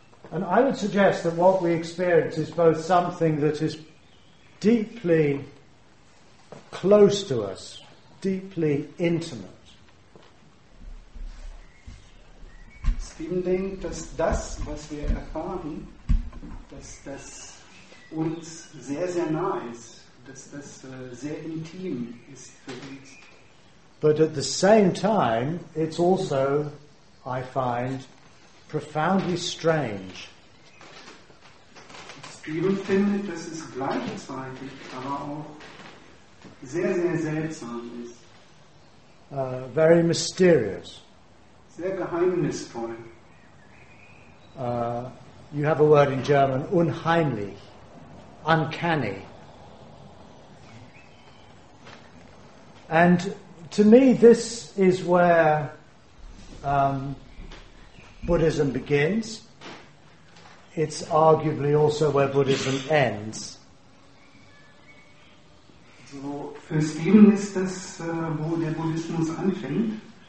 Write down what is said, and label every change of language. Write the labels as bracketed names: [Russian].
[English] And I would suggest that what we experience is both something that is deeply close to us, deeply intimate. [German] Stephen denkt, dass das, was wir erfahren, dass das uns sehr, sehr nah ist, dass das sehr intim ist für uns. [English] But at the same time, it's also, I find, profoundly strange. [German] Stephen findet, dass es gleichzeitig, aber auch sehr, sehr seltsam ist. [English] Very mysterious. [German] Sehr geheimnisvoll. [English] You have a word in German, unheimlich, uncanny. And to me, this is where Buddhism begins. It's arguably also where Buddhism ends. [German] So, für Stephen ist das, wo der Buddhismus anfängt.